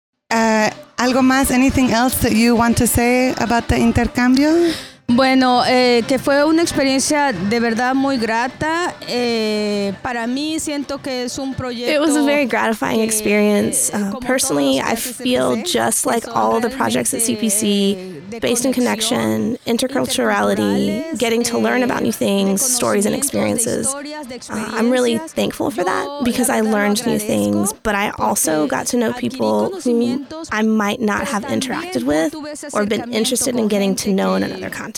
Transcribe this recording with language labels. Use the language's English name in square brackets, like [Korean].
[Spanish] Algo más, [English] anything else that you want to say about the intercambio? [Spanish] Bueno, que fue una experiencia de verdad muy grata. Para mí siento que es un proyecto. [English] It was a very gratifying experience. Personally, I feel just like all the projects at CPC, based in connection, interculturality, getting to learn about new things, stories and experiences. I'm really thankful for that because I learned new things, but I also got to know people who I might not have interacted with or been interested in getting to know in another context.